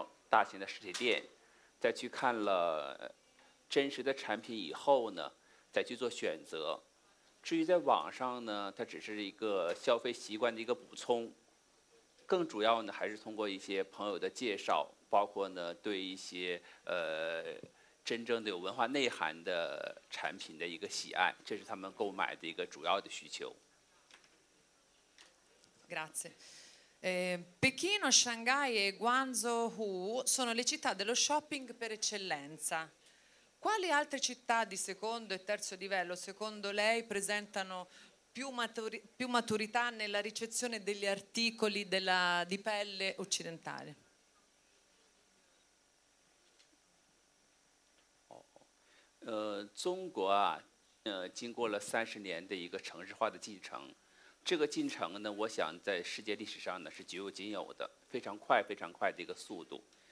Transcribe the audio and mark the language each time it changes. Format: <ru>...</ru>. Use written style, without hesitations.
<it>Alcune</it> <zh>再去看了真实的产品以后呢，再去做选择。至于在网上呢，它只是一个消费习惯的一个补充，更主要呢还是通过一些朋友的介绍，包括呢对一些真正的有文化内涵的产品的一个喜爱，这是他们购买的一个主要的需求。</zh> <it>Grazie. Pechino, Shanghai e Guangzhou sono le città dello shopping per eccellenza. Quali altre città di secondo e terzo livello, secondo lei, presentano più maturità nella ricezione degli articoli di pelle occidentale? Cina, dopo 30 anni di</it> <zh>这个进程呢，我想在世界历史上呢是绝无仅有的，非常快，非常快的一个速度。</zh>